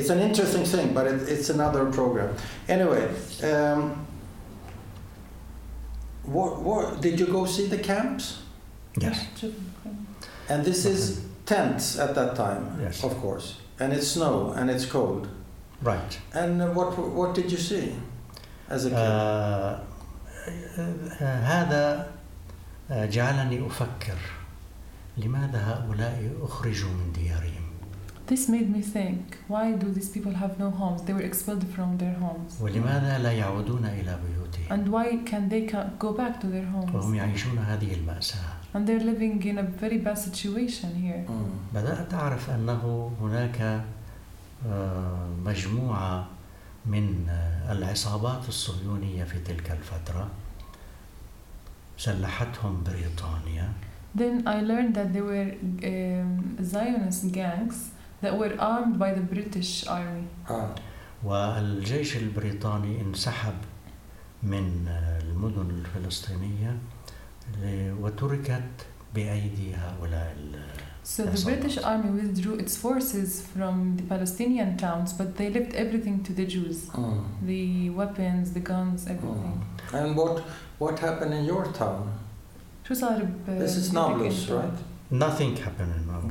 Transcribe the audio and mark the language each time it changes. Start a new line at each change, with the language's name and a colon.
English: It's an interesting thing, but it's another program. Anyway, what did you go see the camps? Yes. And this is tents at that time, yes. Of course. And it's snow and it's cold. Right. And what did you see as a kid?
Arabic: هذا جعلني أفكر لماذا هؤلاء أخرجوا من ديارهم.
English: This made me think, why do these people have no homes? They were expelled from their homes.
Arabic: ولماذا لا يعودون إلى بيوتهم.
English: And why can they go back to their homes?
Arabic: وهم يعيشون هذه المأساة.
English: And they're living in a very bad situation here.
Arabic: بدأت أعرف أنه هناك مجموعة من العصابات الصهيونية في تلك الفترة سلحتهم بريطانيا.
English: Then I learned that there were Zionist gangs that were armed by the British army.
Arabic: والجيش البريطاني انسحب من المدن الفلسطينية وتركت بأيدي هؤلاء.
English: So the British army withdrew its forces from the Palestinian towns, but they left everything to the Jews. Mm. The weapons, the guns, everything. Mm. And what happened in your town? This is Nablus, right? Nothing happened in Nablus.